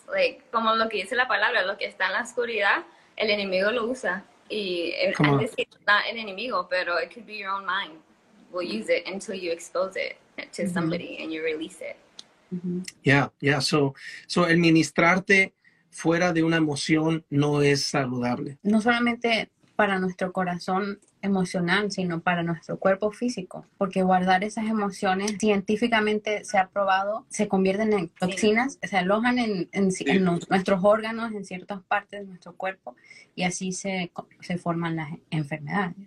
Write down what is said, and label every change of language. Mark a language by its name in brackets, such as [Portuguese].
[Spanish] Like, como lo que dice la palabra, lo que está en la oscuridad, el enemigo lo usa. Y es decir, no el enemigo, pero it could be your own mind. [English] We'll use it until you expose it to somebody and you release it. Mm-hmm. Yeah. [Spanish] So el ministrarte fuera de una emoción no es saludable. No solamente para nuestro corazón emocional, sino para nuestro cuerpo físico, porque guardar esas emociones científicamente se ha probado, se convierten en toxinas, sí. Se alojan nuestros órganos, en ciertas partes de nuestro cuerpo, y así se forman las enfermedades.